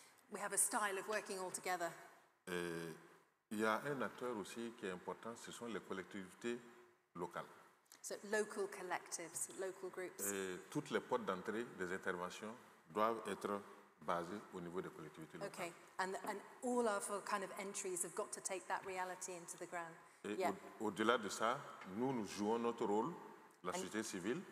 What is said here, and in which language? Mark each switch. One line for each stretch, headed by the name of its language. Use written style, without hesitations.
English: We have a style of working all together.
French: Il y a un acteur aussi qui est important, ce sont les collectivités locales.
English: So local collectives, local groups.
French: Toutes les portes d'entrée des interventions doivent être basées au niveau des collectivités locales.
English: Okay, and all of our kind of entries have got to take that reality into the ground.
French: Et yeah. Au-delà de ça, nous jouons notre rôle, la société civile.